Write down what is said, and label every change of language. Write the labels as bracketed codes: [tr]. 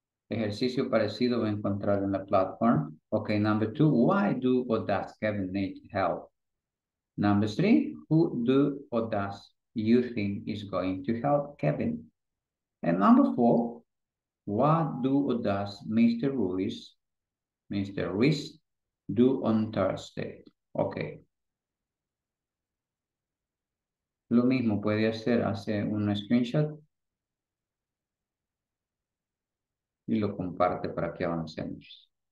[es] Ejercicio parecido va a encontrar en la platform. [en] Okay, number 2, why do or does Kevin need help? Number 3, who do or does you think is going to help Kevin? And number 4, what do or does Mr. Ruiz, do on Thursday? Okay. [es] Lo mismo puede hacer un screenshot y lo comparte para que avancemos.